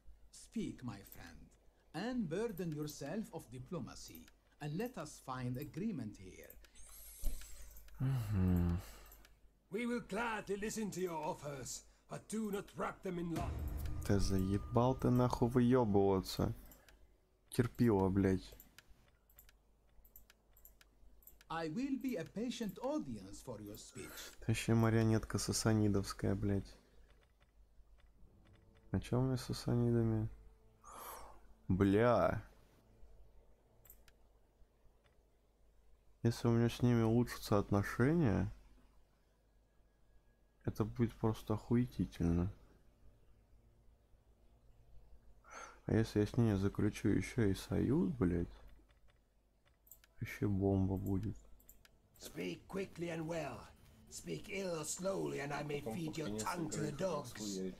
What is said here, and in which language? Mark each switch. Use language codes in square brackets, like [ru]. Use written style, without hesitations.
[en] Speak, my friend, and burden yourself of diplomacy, and let us find agreement here. Mm-hmm. We will gladly listen to your offers, but do not wrap them in law. [ru] Ты заебал, ты нахуй выебываться. Терпила, блять. [en] I will be a patient audience for your speech. [ru] Ты еще марионетка сасанидовская, блять. А че у меня с сасанидами? Бля. Если у меня с ними улучшатся отношения, это будет просто охуетительно. А если я с ними заключу еще и союз, блядь, еще бомба будет. [en] Speak quickly and well. Speak ill or slowly, and I may feed your tongue to the dogs.